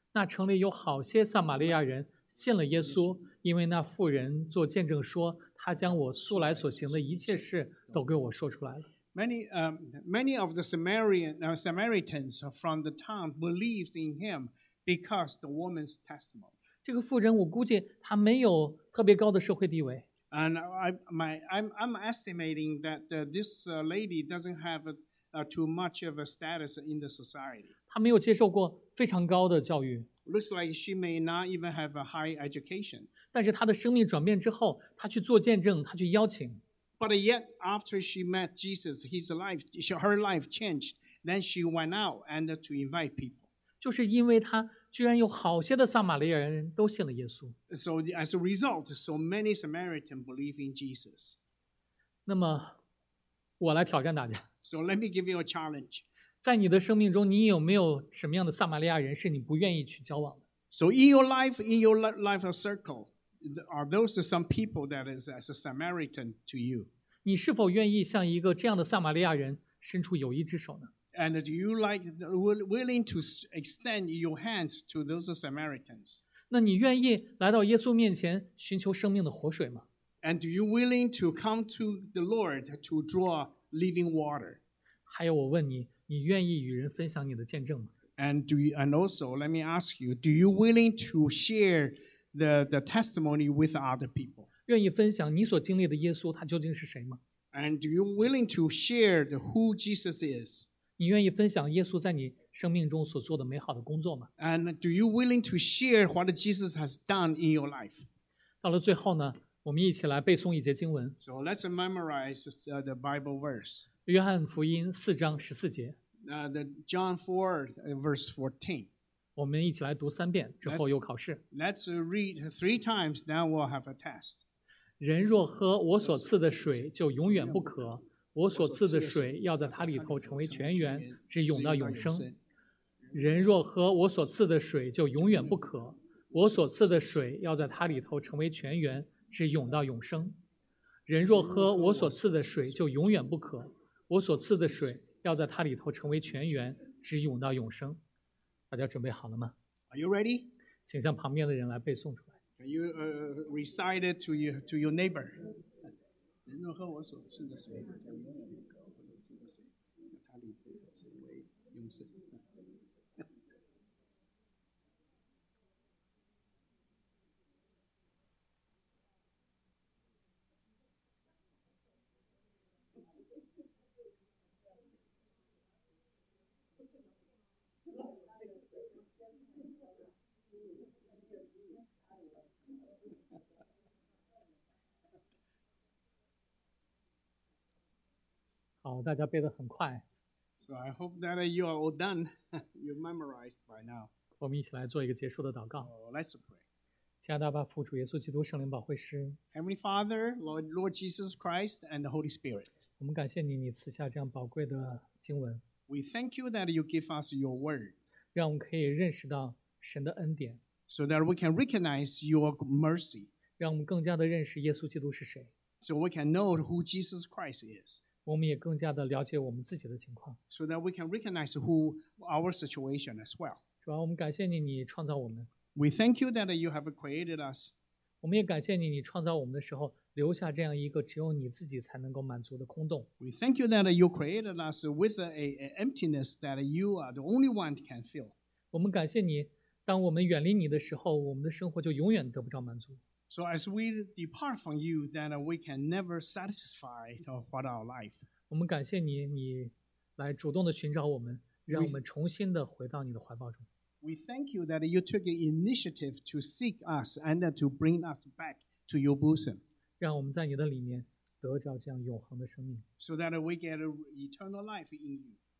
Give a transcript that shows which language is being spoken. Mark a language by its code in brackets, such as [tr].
[zh] 那城里有好些撒玛利亚人信了耶稣，因为那妇人做见证说，他将我素来所行的一切事都给我说出来了。 [en] Many of the Samaritans from the town believed in him because the woman's testimony. [zh] 这个妇人我估计她没有特别高的社会地位。 [en] And I'm estimating that this lady doesn't have too much of a status in the society. [zh] 她没有接受过非常高的教育。 [en] Looks like she may not even have a high education. [zh] 但是他的生命转变之后，他去做见证，他去邀请。 [en] But yet after she met Jesus, his life, her life changed. Then she went out and to invite people. [zh] 就是因为他居然有好些的撒玛利亚人都信了耶稣。 [en] So as a result, so many Samaritans believe in Jesus. [zh] 那么我来挑战大家。 [en] So let me give you a challenge. [zh] 在你的生命中，你有没有什么样的撒玛利亚人是你不愿意去交往的？ [en] So in your life circle, are those some people that is as a Samaritan to you? [zh] 你是否愿意向一个这样的撒玛利亚人伸出友谊之手呢？ [en] And do you like willing to extend your hands to those Samaritans? [zh] 那你愿意来到耶稣面前寻求生命的活水吗？ [en] And do you willing to come to the Lord to draw living water? [zh] 还有我问你，你愿意与人分享你的见证吗？ [en] And also, let me ask you, do you willing to share the testimony with other people? [zh] 愿意分享你所经历的耶稣，他究竟是谁吗？ [en] And do you willing to share the who Jesus is? [zh] 你愿意分享耶稣在你生命中所做的美好的工作吗？ [en] And do you willing to share what Jesus has done in your life? [zh] 到了最后呢，我们一起来背诵一节经文。 [en] So let's memorize the Bible verse. [zh] 约翰福音四章十四节。 [en] The John 4, verse 14. [zh] 我们一起来读三遍，之后又考试。 [en] Let's read three times, then we'll have a test. [zh] 人若喝我所赐的水，就永远不渴。我所赐的水要在他里头成为泉源，直涌到永生。人若喝我所赐的水，就永远不渴。我所赐的水要在他里头成为泉源，直涌到永生。人若喝我所赐的水，就永远不渴。我所赐的水要在它里头成为泉源，直涌到永生。大家准备好了吗？ [en] Are you ready? [zh] 请向旁边的人来背诵出来。 [en] Can you recite it to your neighbor? [zh] 人若喝我所赐的水，就永远不渴；我所赐的水，在它里头成为永生。好，大家背得很快。 [en] So I hope that you are all done. You're memorized by now. [zh] 我们一起来做一个结束的祷告。 [en] So let's pray. [zh] 亲爱的阿爸父，主耶稣基督，圣灵宝会师。 [en] Heavenly Father, Lord Jesus Christ and the Holy Spirit. [zh] 我们感谢你，你赐下这样宝贵的经文。 [en] We thank you that you give us your word. [zh] 让我们可以认识到神的恩典。 [en] So that we can recognize your mercy. [zh] 让我们更加的认识耶稣基督是谁。 [en] So we can know who Jesus Christ is. [zh] 我们也更加的了解我们自己的情况。 [en] So that we can recognize who our situation as well. [zh] 主啊，我们感谢你，你创造我们。 [en] We thank you that you have created us. [zh] 我们也感谢你，你创造我们的时候留下这样一个只有你自己才能够满足的空洞。 [en] We thank you that you created us with an emptiness that you are the only one can fill. [zh] 我们感谢你，当我们远离你的时候，我们的生活就永远得不到满足。 [en] So as we depart from you, then we can never satisfy what our life. [zh] 我们感谢你，你来主动的寻找我们，让我们重新的回到你的怀抱中。 [en] We thank you that you took an initiative to seek us and to bring us back to your bosom. [zh] 让我们在你的里面得着这样永恒的生命。 [en] So that we get eternal life in you.